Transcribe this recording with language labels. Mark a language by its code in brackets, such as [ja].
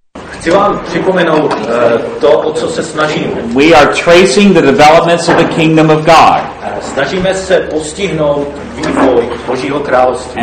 [cs] Chci vám připomenout to, o co se snažíme. [en] We are tracing the developments of the kingdom of God. [cs] Snažíme se postihnout vývoj Božího království.